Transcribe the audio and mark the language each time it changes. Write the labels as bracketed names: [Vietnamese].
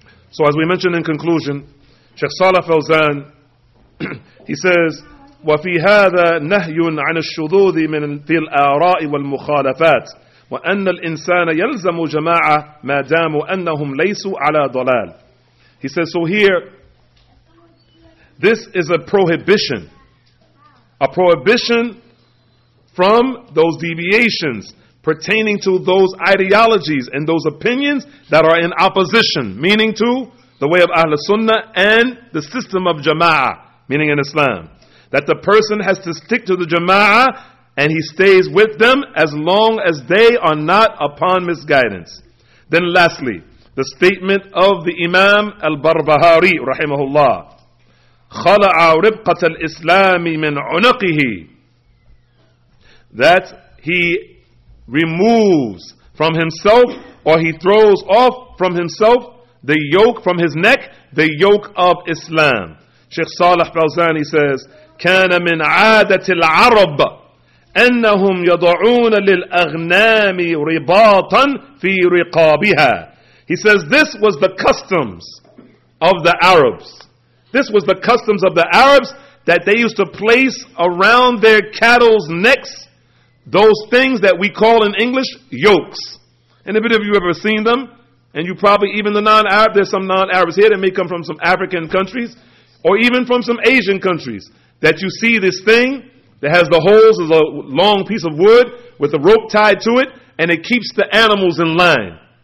[English] So as we mentioned in conclusion, Sheikh Salah Fawzan, he says, [Arabic] وَفِي هَذَا نَهْيٌ عَنَ الشُّذُوذِ مِنْ فِي الْآرَاءِ وَالْمُخَالَفَاتِ وَأَنَّ الْإِنسَانَ يَلْزَمُ جَمَاعَةً مَا دَامُ أَنَّهُمْ لَيْسُ عَلَى ضَلَالٍ. [English] He says, so here, this is a prohibition. A prohibition from those deviations pertaining to those ideologies and those opinions that are in opposition, meaning to the way of Ahl Sunnah and the system of Jama'ah, meaning in Islam. That the person has to stick to the Jama'ah and he stays with them as long as they are not upon misguidance. Then lastly, the statement of the Imam Al-Barbahari, rahimahullah, [Arabic] خَلَعَ رِبْقَةَ الْإِسْلَامِ مِنْ عُنَقِهِ. [English] That he removes from himself, or he throws off from himself, the yoke from his neck, the yoke of Islam. Sheikh Salih Fawzani says, [Arabic] كَانَ مِنْ عَادَةِ الْعَرَبَ أَنَّهُمْ يَضَعُونَ لِلْأَغْنَامِ رِبَاطًا فِي رِقَابِهَا. [English] He says, this was the customs of the Arabs. This was the customs of the Arabs, that they used to place around their cattle's necks, those things that we call in English yokes. Anybody of you ever seen them? And you probably, even the non-Arab, there's some non-Arabs here that may come from some African countries or even from some Asian countries, that you see this thing that has the holes, is a long piece of wood with a rope tied to it, and it keeps the animals in line.